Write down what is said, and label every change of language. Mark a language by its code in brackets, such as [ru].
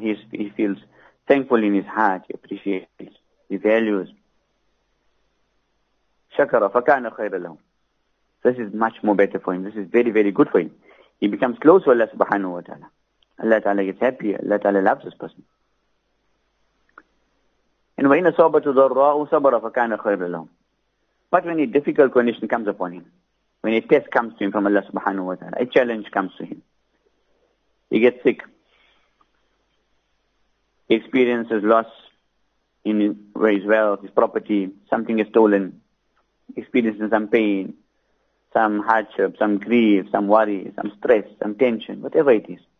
[en] He feels thankful in his heart. He appreciates. He values. [ar] شَكَرَ فَكَانَ خَيْرَ لَهُ. [en] This is much more better for him. This is very, very good for him. He becomes close to Allah subhanahu wa ta'ala. Allah ta'ala gets happy. Allah ta'ala loves this person. And when [ar] أَصَابَتُ ضَرَّاءُ صَبَرَ فَكَانَ خَيْرَ لَهُ. [en] But when a difficult condition comes upon him, when a test comes to him from Allah subhanahu wa ta'ala, a challenge comes to him, he gets sick, he experiences loss in his wealth, his property, something is stolen, experiencing some pain, some hardship, some grief, some worry, some stress, some tension, whatever it is.